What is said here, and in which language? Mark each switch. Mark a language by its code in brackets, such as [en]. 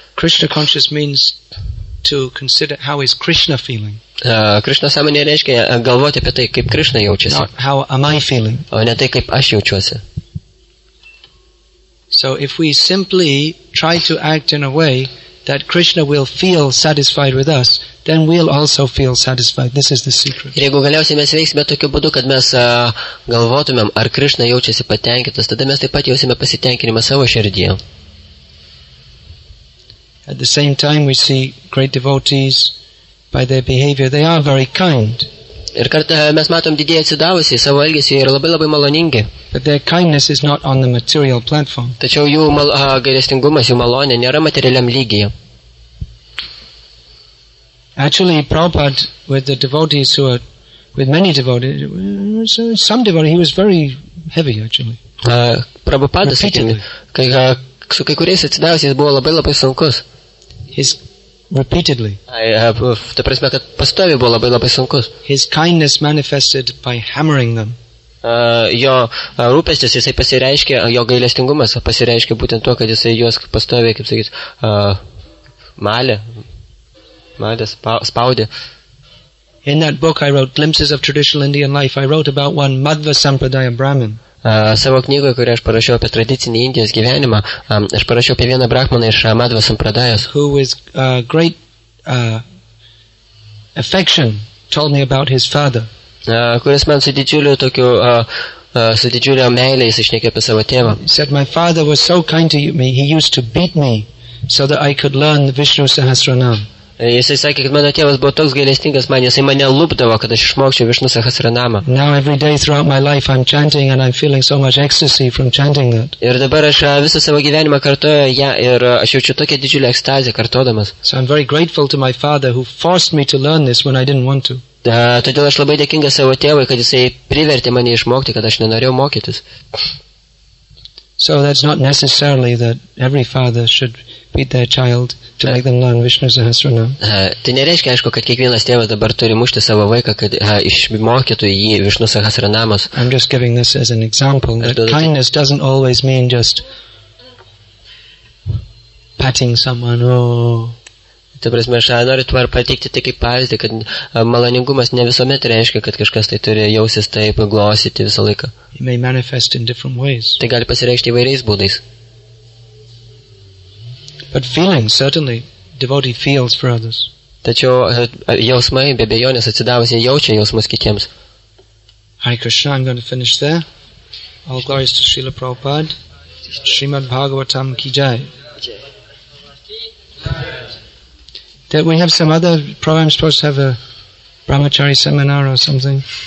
[en] Krishna conscious means to consider how is Krishna feeling. [lt] Krishna samanė reiškia galvoti apie tai, kaip Krishna jaučiasi. [en] Not how am I feeling. [lt] O ne tai, kaip aš jaučiuosi. [en] So if we simply try to act in a way that Krishna will feel satisfied with us, then we'll also feel satisfied. This is the secret. [lt] Ir jeigu galiausiai mes veiksime tokiu būdu, kad mes galvotumėm, ar Krishna jaučiasi patenkintas, tada mes taip pat jausime pasitenkinimą savo širdyje. [en] At the same time we see great devotees by their behavior, they are very kind. [lt] Ir kartą mes matom didieji atsidavusi savo elgesį ir labai labai maloningi. [en] But their kindness is not on the material platform. [lt] Tačiau jų gailestingumas, jų malonė nėra materialiam lygyje. [en] Actually, Prabhupada, with the devotees who are, with many devotees, some devotees, he was very heavy, actually. [lt] Prabhupada, sakykime, su kai kuriais atsidavusiais buvo labai labai sunkus. [en] His repeatedly. [lt] Ta prasme, kad pastovė buvo labai labai sunkus. [en] His kindness manifested by hammering them. [lt] Jo rūpestis, jisai pasireiškė, jo gailestingumas pasireiškė būtent tuo, kad jisai juos pastovė, kaip sakyt, malė, spaudė. [en] In that book I wrote Glimpses of Traditional Indian Life, I wrote about one Madhva Sampradaya Brahmin. [lt] Savo knygoje, kurią aš parašiau apie tradicinį Indijos gyvenimą, aš parašiau apie vieną brahmaną iš Madhva Sampradajos. [en] Who was great affection told me about his father. [lt] Kuris man su didžiuliu tokiu su didžiuliu meilė jis išnekė apie savo tėvą. [en] He said, my father was so kind to me, he used to beat me so that I could learn the Vishnu Sahasranam. [lt] Jisai sakė, kad mano tėvas buvo toks gailestingas man, jisai mane lupdavo, kad aš išmokčiau Vishnu Sahasranamą. [en] Now every day throughout my life I'm chanting and I'm feeling so much ecstasy from chanting that. [lt] Ir dabar aš visą savo gyvenimą kartoju ją ir aš jaučiu tokią didžiulę ekstaziją kartodamas. [en] So I'm very grateful to my father who forced me to learn this when I didn't want to. [lt] Todėl aš labai dėkingas savo tėvui, kad jisai privertė mane išmokti, kad aš nenorėjau mokytis. [en] So that's not necessarily that every father should beat their child to make them learn Vishnu Sahasranam. [lt] Tai nereiškia, aišku, kad kiekvienas tėvas dabar turi mušti savo vaiką, kad išmokytų jį Vishnu Sahasranamas. [en] I'm just giving this as an example that kindness doesn't always mean just patting someone [lt] Ta prasme, aš noriu tvar pateikti tik kaip pavyzdį, kad maloningumas ne visuomet reiškia, kad kažkas tai turi jausis taip glosyti visą laiką. [en] It may manifest in different ways. [lt] Tai gali pasireikšti įvairiais būdais. [en] But feeling, certainly, devotee feels for others. [lt] Tačiau jausmai, be abejonės atsidavusiai jaučia jausmus kitiems. [en] Hare Krishna, I'm going to finish there. All glories to Srila Prabhupada. [hi] Srimad Bhagavatam ki jai. [en] That we have some other program supposed to have a brahmachari seminar or something.